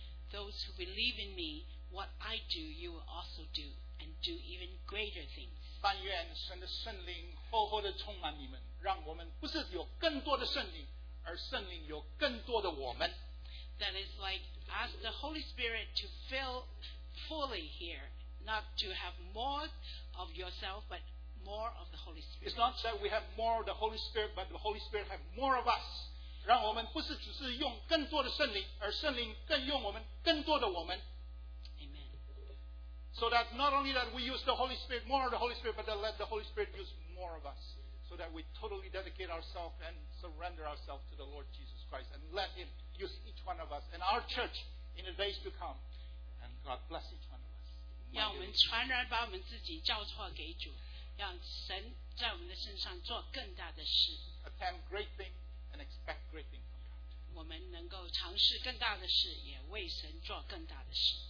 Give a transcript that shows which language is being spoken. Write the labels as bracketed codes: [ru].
[en] Those who believe in me, what I do, you will also do, and do even greater things. [zh] 但愿神的圣灵厚厚的充满你们，让我们不是有更多的圣灵，而圣灵有更多的我们。 [en] That is like ask the Holy Spirit to fill fully here, not to have more of yourself, but more of the Holy Spirit. It's not that we have more of the Holy Spirit, but the Holy Spirit have more of us. [zh] 让我们不是只是用更多的圣灵，而圣灵更用我们，更多的我们。 [en] Amen. So that not only that we use the Holy Spirit, more of the Holy Spirit, but that let the Holy Spirit use more of us, so that we totally dedicate ourselves and surrender ourselves to the Lord Jesus Christ and let Him use each one of us and our church in the days to come. And God bless each one of us. [zh] 让我们传染把我们自己交托给主，让神在我们的身上做更大的事。 [en] Attempt great thing and expect great thing from God. [zh] 我们能够尝试更大的事，也为神做更大的事。